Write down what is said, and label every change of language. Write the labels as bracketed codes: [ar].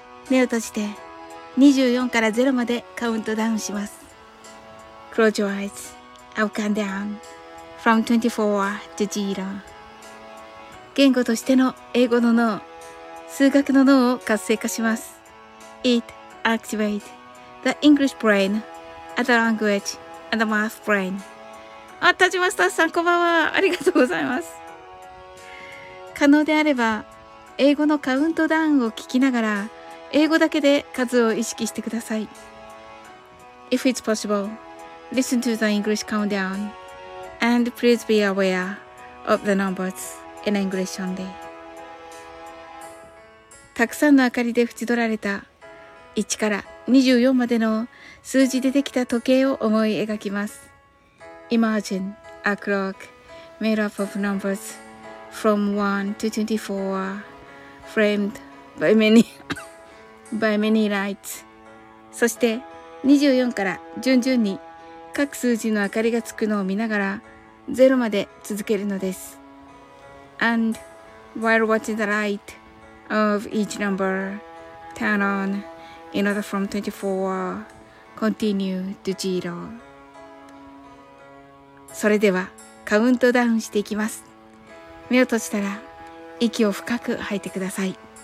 [ja] 目を閉じて24から0までカウントダウンします。 [en] Close your eyes. I'll count down from 24 to 0. [ja] 言語としての英語の脳、数学の脳を活性化します。 [en] It activates. The English brain, and the language, and the math brain. [ja] あ、タジマスターさん、こんばんは。ありがとうございます。可能であれば、英語のカウントダウンを聞きながら、英語だけで数を意識してください。 [en] If it's possible, listen to the English countdown, and please be aware of the numbers in English only. [ja] たくさんの明かりで縁取られた1から24までの数字でできた時計を思い描きます。 [en] Imagine a clock made up of numbers from 1 to 24 framed by many, by many lights. [ja] そして24から順々に各数字の明かりがつくのを見ながら0まで続けるのです。 [en] And while watching the light of each number turn on,In order from 24, continue to zero. [ja] それではカウントダウンしていきます。目を閉じたら息を深く吐いてください。